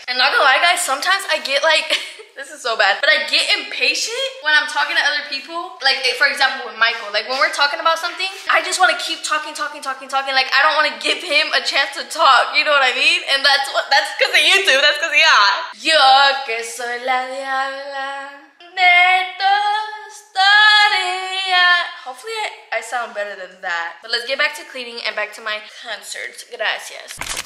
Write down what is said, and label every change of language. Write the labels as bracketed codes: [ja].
[en] And not gonna lie, guys, sometimes I get like this is so bad, but I get impatient when I'm talking to other people. Like, for example, with Michael, like when we're talking about something, I just want to keep talking. Like, I don't want to give him a chance to talk, you know what I mean? And that's because of YouTube. That's because of y'all. [es] Yo que soy la diabla de tu historia. [en] Hopefully I sound better than that. But let's get back to cleaning and back to my concert. Gracias.